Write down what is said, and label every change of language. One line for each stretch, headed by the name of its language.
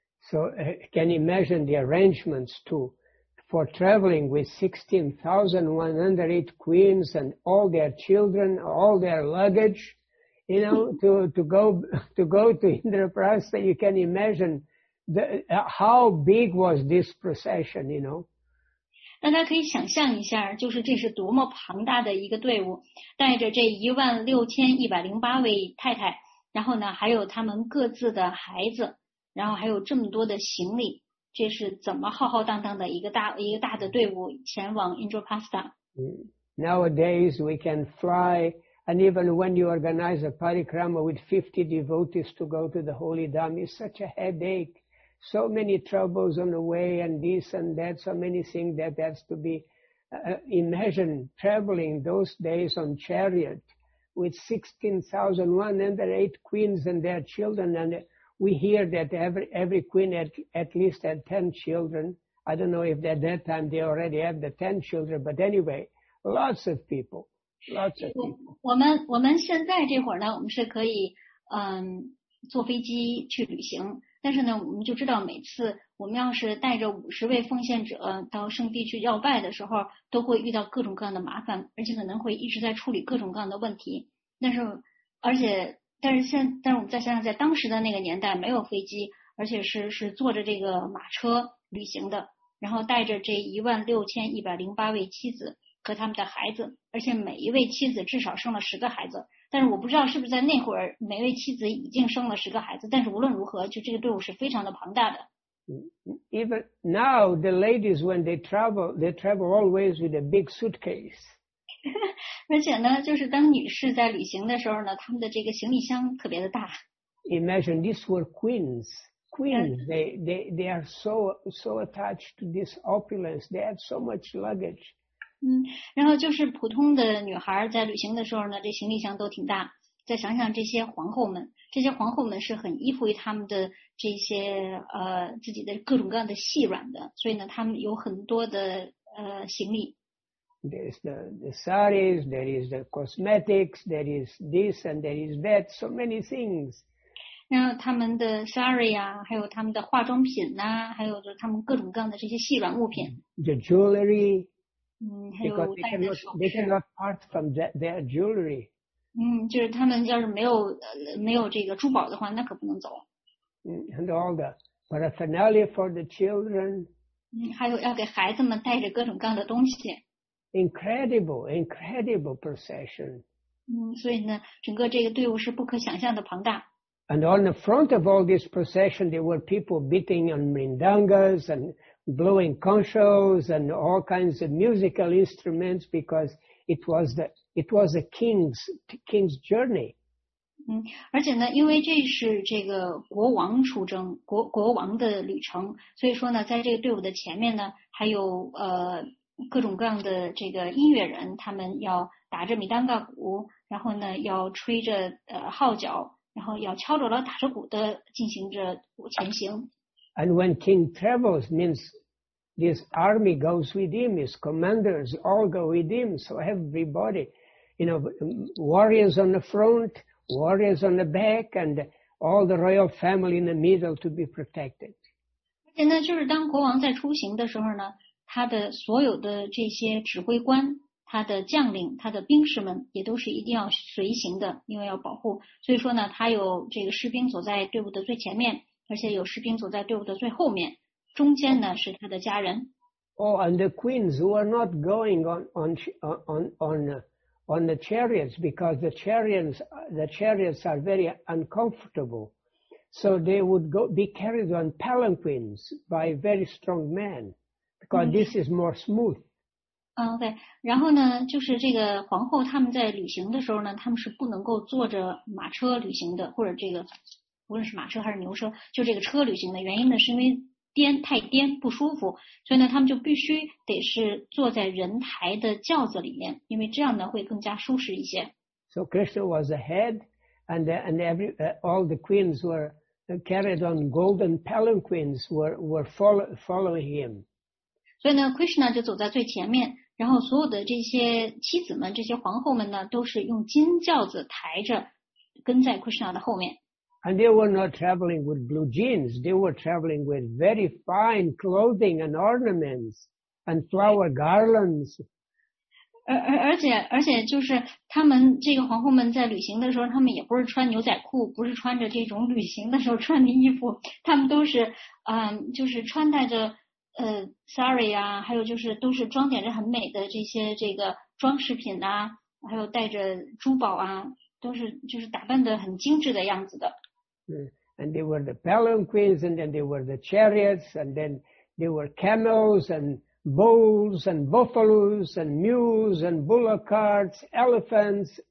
English: So can you imagine the arrangements too for traveling with 16,108 queens and all their children, all their luggage, you know, to go to Indraprastha? You can imagine how big was this procession, you know?
Chinese: 大家可以想象一下，就是这是多么庞大的一个队伍，带着这16,108位太太，然后呢，还有他们各自的孩子。然后还有这么多的行李，这是怎么浩浩荡荡的一个大的队伍前往 Indraprastha？
English: Nowadays we can fly, and even when you organize a parikrama with 50 devotees to go to the holy dham, it's such a headache. So many troubles on the way, and this and that, so many things that has to be. Imagine traveling those days on chariot with 16,108 queens and their children and. We hear that every queen at least had 10 children. I don't know if at that time they already have the 10 children, but anyway, lots of people, lots of people.
Chinese: 我们现在这会儿呢，我们是可以坐飞机去旅行，但是呢，我们就知道每次我们要是带着50位奉献者到圣地去要拜的时候，都会遇到各种各样的麻烦，而且可能会一直在处理各种各样的问题。但是我们再想想，在当时的那个年代，没有飞机，而且是坐着这个马车旅行的，然后带着这16,108位妻子和他们的孩子，而且每一位妻子至少生了10个孩子。但是我不知道是不是在那会儿，每位妻子已经生了10个孩子。但是无论如何，就这个队伍是非常的庞大的。
English: Even now, the ladies when they travel always with a big suitcase.
Chinese: 而且呢，就是当女士在旅行的时候呢，她们的这个行李箱特别的大。
English: Imagine these were queens. They are so attached to this opulence. They have so much luggage.
Chinese: 然后就是普通的女孩在旅行的时候呢，这行李箱都挺大。再想想这些皇后们，这些皇后们是很依附于他们的这些自己的各种各样的细软的，所以呢，他们有很多的行李。
English: There is the saris, there is the cosmetics, there is this and there is that, so many things.
Chinese: 然后他们的 sari 啊，还有他们的化妆品呐，还有他们各种各样的这些细软物品。
English: The jewelry. Because they cannot part from their jewelry.
Chinese: 就是他们要是没有这个珠宝的话，那可不能走。
English: And all the paraphernalia for the children.
Chinese: 还有要给孩子们带着各种各样的东西。
English: Incredible, incredible procession.
Chinese: 所以呢，整个这个队伍是不可想象的庞大。
English: And on the front of all this procession, there were people beating on mrindangas and blowing conchs and all kinds of musical instruments because it was a king's journey.
Chinese: 而且呢，因为这是这个国王出征，国王的旅程，所以说呢，在这个队伍的前面呢，还有各种各样的这个音乐人，他们要打着米当嘎鼓，然后呢，要吹着号角。然后要敲着锣打着鼓的进行着前行。
English: And when king travels means this army goes with him, his commanders all go with him, so everybody, you know, warriors on the front, warriors on the back, and all the royal family in the middle to be protected.
Chinese: 而且呢，就是当国王在出行的时候呢，他的所有的这些指挥官他的将领他的兵士们也都是一定要随行的因为要保护所以说呢他有这个士兵走在队伍的最前面而且有士兵走在队伍的最后面中间呢是他的家人
English: Oh, and the queens who are not going on the chariots because the chariots are very uncomfortable so they would go be carried on palanquins by very strong men because this is more smooth
Chinese: OK, 然后呢就是这个皇后他们在旅行的时候呢他们是不能够坐着马车旅行的或者这个无论是马车还是牛车就这个车旅行的原因呢是因为太颠不舒服所以呢他们就必须得是坐在人抬的轿子里面因为这样呢会更加舒适一些。
English: So Krishna was ahead, and all the queens were carried on golden palanquins were following him.
Chinese: 所以呢 ，Krishna 就走在最前面，然后所有的这些妻子们、这些皇后们呢，都是用金轿子抬着，跟在 Krishna 的后面。
English: And they were not traveling with blue jeans; they were traveling with very fine clothing and ornaments and flower garlands.
Chinese: 而且就是他们这个皇后们在旅行的时候，他们也不是穿牛仔裤，不是穿着这种旅行的时候穿的衣服，他们都是就是穿戴着。 sari 啊，还有就是都是装点着很美的这些这个装饰品啊，还有带着珠宝啊，都是就是打扮得很精致的样子的。
English: And they were the palanquins, and then they were the chariots, and then they were camels and bulls and buffaloes and mules and bullock carts, elephants.